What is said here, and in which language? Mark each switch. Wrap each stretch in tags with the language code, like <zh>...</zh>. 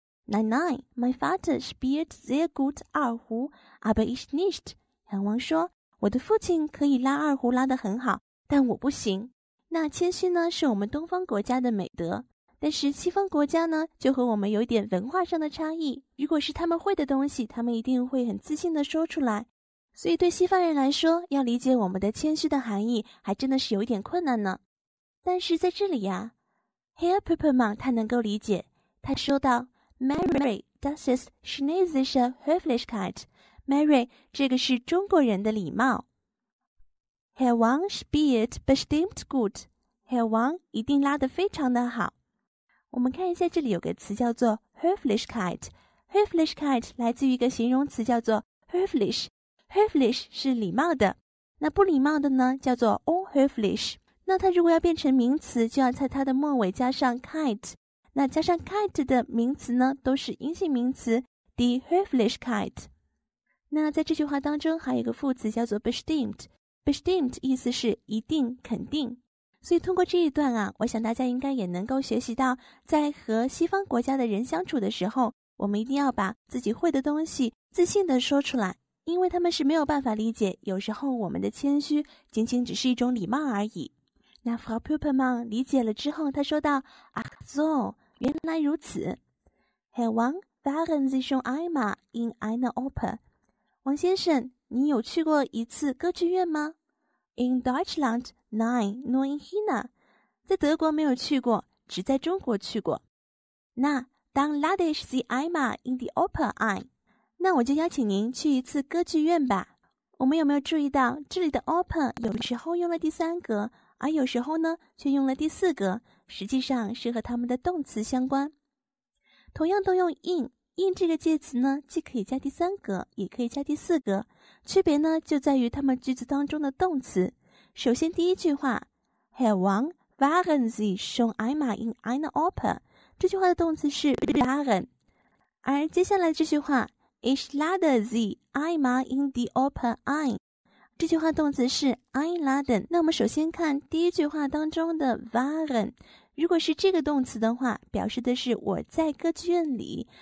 <de>Nein, nein, mein Vater spielt sehr gut 二胡 aber ich nicht.</de> <zh>恒王说，我的父亲可以拉二胡拉得很好，但我不行。那谦虚呢，是我们东方国家的美德，但是西方国家呢，就和我们有点文化上的差异。如果是他们会的东西，他们一定会很自信地说出来。所以对西方人来说，要理解我们的谦虚的含义，还真的是有点困难呢。但是在这里呀 ，Herr Pippermann 他能够理解，他说道 ：</zh> <de>“Mary, das ist chinesische Höflichkeit.</de> <zh>Mary, 这个是中国人的礼貌。</zh> <de>Herr Wang spielt bestimmt gut.</de> <zh>Herr Wang 一定拉得非常的好。我们看一下，这里有个词叫做 Höflichkeit. Höflichkeit 来自于一个形容词叫做 Höflich. Höflich 是礼貌的，那不礼貌的呢，叫做 Unhöflich. 那它如果要变成名词，就要在它的末尾加上 kite。那加上 kite 的名词呢，都是阴性名词 ，die Höflichkeit。那在这句话当中，还有一个副词叫做 bestimmt。bestimmt 意思是一定、肯定。所以通过这一段啊，我想大家应该也能够学习到，在和西方国家的人相处的时候，我们一定要把自己会的东西自信地说出来，因为他们是没有办法理解，有时候我们的谦虚仅仅只是一种礼貌而已。那 Frau Pippermann 理解了之后，他说道</zh> <de>Ach so,</de> <zh>原来如此。</zh> <de>Herr Wang, waren Sie schon einmal in einer Oper?</de> <zh>王先生，你有去过一次歌剧院吗？</zh> <de>In Deutschland, nein, nur in China.</de> <zh>在德国没有去过，只在中国去过。</zh> <de>那 dann lade ich Sie einmal in die Oper ein.</de> <zh>那我就邀请您去一次歌剧院吧。我们有没有注意到，这里的 Oper 有时候用了第三格，而有时候呢却用了第四格，实际上是和他们的动词相关。同样都用 in 这个介词呢，既可以加第三格，也可以加第四格，区别呢就在于他们句子当中的动词。首先第一句话</zh> <de>Herr Wang, waren Sie schon einmal in einer Oper?</de> <zh>这句话的动词是 waren, 而接下来这句话</zh> <de>Ich lade Sie einmal in die Oper ein,</de> <zh>这句话动词是 einladen。那我们首先看第一句话当中的 waren， 如果是这个动词的话，表示的是我在歌剧院里。</zh>